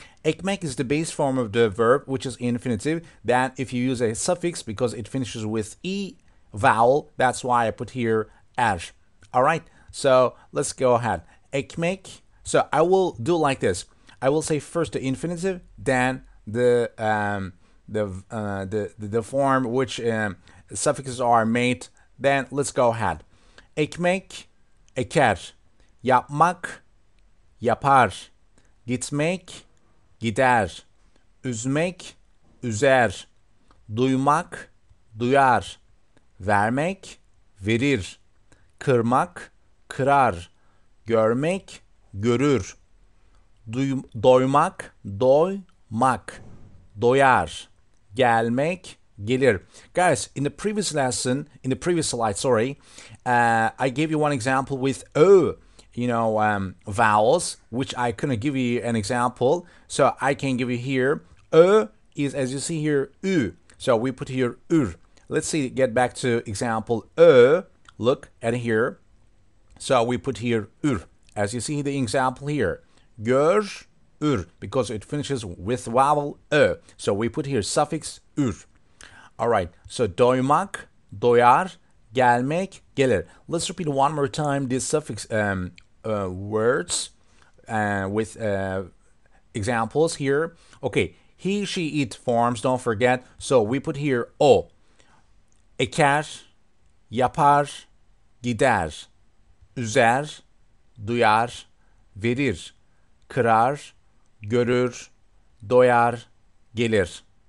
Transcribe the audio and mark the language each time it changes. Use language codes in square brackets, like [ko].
[en] Ekmek is the base form of the verb, which is infinitive. That if you use a suffix because it finishes with e vowel, that's why I put here er. All right, so let's go ahead. Ekmek. So I will do like this. I will say first the infinitive, then the form which suffixes are made. Then let's go ahead. [tr] Ekmek, eker, yapmak, yapar, gitmek, gider, üzmek, üzer, duymak, duyar, vermek, verir, kırmak, kırar, görmek, görür, doymak, doymak, doyar, gelmek, gelir. [en] Guys, in the previous lesson, in the previous slide, sorry, I gave you one example with O, you know, vowels, which I couldn't give you an example. So I can give you here. Ö is, as you see here, ü. So we put here ür. Let's see, get back to example Ö. Look at here. So we put here ür. As you see the example here. Gör, ür. Because it finishes with vowel Ö. So we put here suffix ür. All right. [tr] So doymak, doyar. Gelmek, gelir. [en] Let's repeat one more time these suffix words with examples here. Okay, he, she, it forms, don't forget. So we put here o. [tr] Eker, yapar, gider, üzer, duyar, verir, kırar, görür, doyar, gelir.